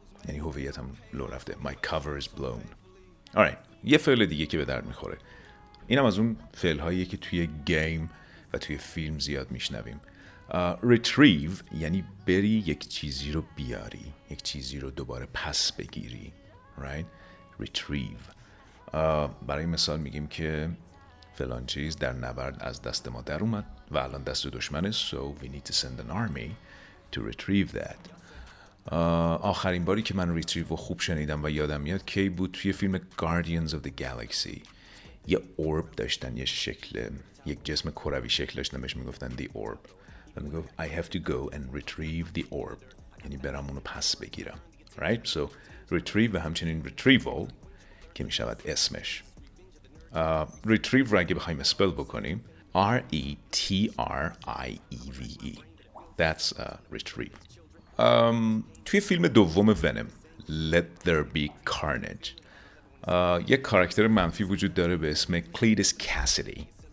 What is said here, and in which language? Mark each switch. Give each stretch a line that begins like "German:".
Persian: یعنی هویتم لو رفته،
English: my cover is blown. alright
Persian: یه فعل دیگه که به درد میخوره، اینم از اون فعلهاییه که توی گیم و توی فیلم زیاد میشنویم. Retrieve یعنی بری یک چیزی رو بیاری، یک چیزی رو دوباره پس بگیری.
English: Retrieve.
Persian: برای مثال میگیم که فلان چیز در نبرد از دست ما در اومد و الان دست دشمنه.
English: So we need to send an army to retrieve that.
Persian: آخرین باری که من ریتریو خوب شنیدم و یادم میاد کی بود، توی فیلم Guardians of the Galaxy. یه اورب داشتن، یه شکل، یک جسم کروی شکل داشتن، بهش میگفتن the orb. و میگفت
English: I have to go and retrieve the orb.
Persian: یعنی برم اونو پس بگیرم.
English: Right?
Persian: So retrieve و همچنین retrieval که میشود اسمش. Retrieve را اگه بخواییم spell بکنیم R-E-T-R-I-E-V-E.
English: That's retrieve.
Persian: توی فیلم دوم ونم Let There Be Carnage یک کاراکتر منفی وجود داره به اسم Cletus Cassidy.